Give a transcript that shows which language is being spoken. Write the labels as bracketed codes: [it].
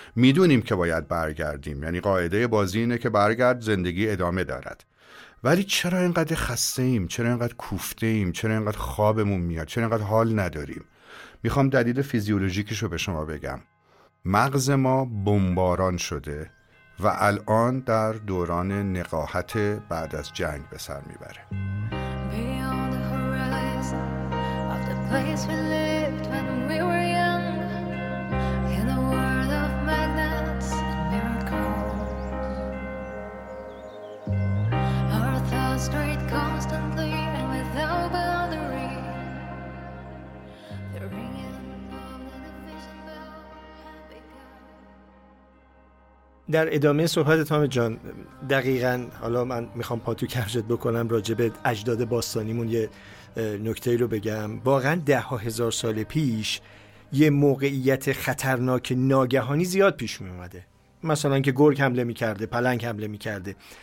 [fa] میدونیم که باید برگردیم، یعنی قاعده بازی اینه که برگرد، زندگی ادامه دارد، ولی چرا اینقدر خسته ایم؟ چرا اینقدر کوفته ایم؟ چرا اینقدر خوابمون میاد؟ چرا اینقدر حال نداریم؟ میخوام دلیل فیزیولوژیکشو به شما بگم. مغز ما بمباران شده و الان در دوران نقاهت بعد از جنگ به سر میبره. [en] Place we lived when we were young, in a world of magnets and miracles. Our thoughts strayed constantly and without boundary. The ringing of the division bell had begun. [fa] در ادامه صحبت تام جان، دقیقاً حالا من میخوام پاتو کفشت بکنم راجع به اجداد باستانیمون یه نکته رو بگم. واقعا 10,000 سال پیش یه موقعیت خطرناک ناگهانی زیاد پیش می اومده، مثلا که گرگ حمله می کرده، پلنگ حمله می کرده،